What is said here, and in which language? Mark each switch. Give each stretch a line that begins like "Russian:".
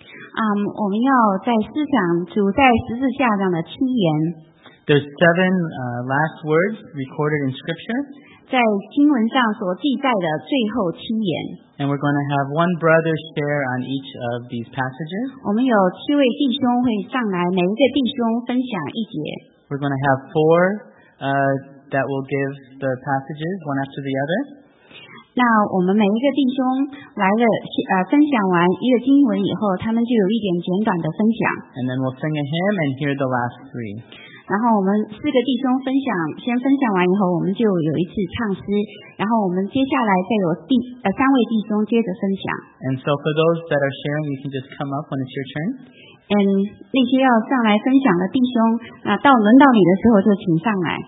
Chinese: 我们要再思想主在十字架上的亲言。
English: The seven last words recorded in Scripture.
Chinese: 在经文上所记载的最后七言。
English: And we're going to have one brother share on each of these passages.
Chinese: 我们有七位弟兄会上来，每一个弟兄分享一节。
English: We're going to have four that will give the passages one after the other.
Chinese: 那我们每一个弟兄来了分享完一个经文以后，他们就有一点简短的分享。
English: And then we'll sing a hymn and hear the last three.
Chinese: 然后我们四个弟兄分享，先分享完以后，我们就有一次唱诗。然后我们接下来再有三位弟兄接着分享。
English: And so for those that are sharing, you can just come up when it's your turn.
Chinese: And 那些要上来分享的弟兄，那到轮到你的时候就请上来。